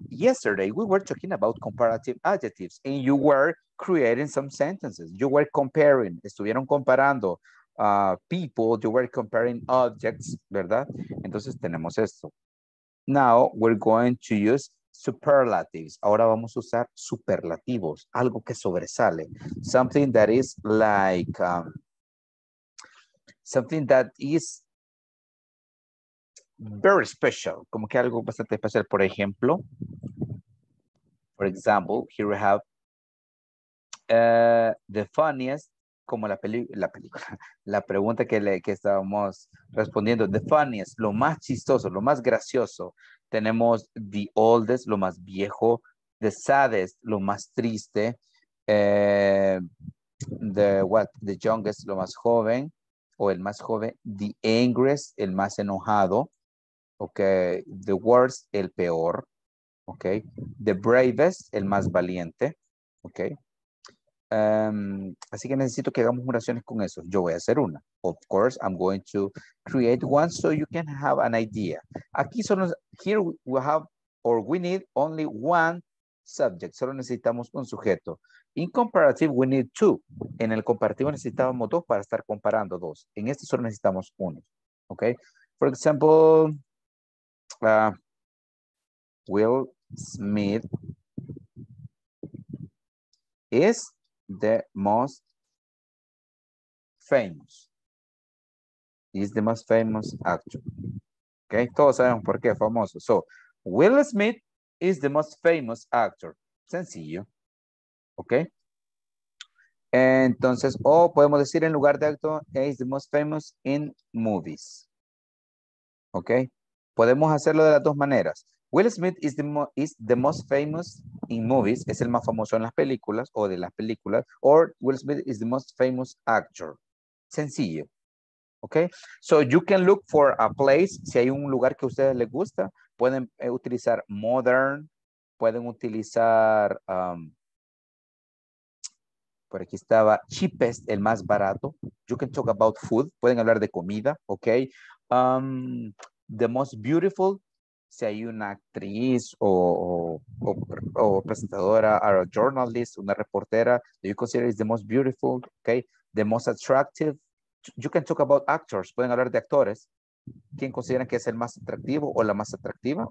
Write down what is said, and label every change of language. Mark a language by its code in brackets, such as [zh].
[en] Yesterday, we were talking about comparative adjectives and you were creating some sentences. You were comparing, [es] estuvieron comparando [en] people, you were comparing objects, ¿verdad? [es] Entonces tenemos esto. [en] Now, we're going to use superlatives. [es] Ahora vamos a usar superlativos, algo que sobresale. [en] Something that is like, something that is very special, [es] como que algo bastante especial. [en] For example, here we have the funniest, [es] como la película, la pregunta que estábamos respondiendo, the funniest, lo más chistoso, lo más gracioso. Tenemos [en] the oldest, [es] lo más viejo, [en] the saddest, [es] lo más triste, [en] the youngest, [es] lo más joven, o el más joven, [en] the angriest, [es] el más enojado. Okay, [en] the worst, [es] el peor. Okay, [en] the bravest, [es] el más valiente. Okay, así que necesito que hagamos oraciones con eso. Yo voy a hacer una. [en] Of course, I'm going to create one so you can have an idea. Here we have, or we need only one subject. [es] Solo necesitamos un sujeto. [en] In comparative, we need two. [es] En el comparativo necesitábamos dos para estar comparando dos. En este solo necesitamos uno. [en] Okay, for example, Will Smith is the most famous. Is the most famous actor. Okay, [es] todos sabemos por qué famoso. [en] So, Will Smith is the most famous actor. [es] Sencillo. Okay. Entonces, o podemos decir en lugar de actor, [en] is the most famous in movies. [es] Okay. Podemos hacerlo de las dos maneras. [en] Will Smith is the most famous in movies. [es] Es el más famoso en las películas o de las películas. [en] Or Will Smith is the most famous actor. [es] Sencillo. [en] Okay. So you can look for a place. [es] Si hay un lugar que a ustedes les gusta, pueden utilizar modern. Pueden utilizar, por aquí estaba, cheapest, el más barato. You can talk about food. Pueden hablar de comida, ok. The most beautiful, si hay una actriz o presentadora, or a journalist, una reportera, do you consider it the most beautiful, ok. The most attractive, you can talk about actors. Pueden hablar de actores. ¿Quién consideran que es el más atractivo o la más atractiva?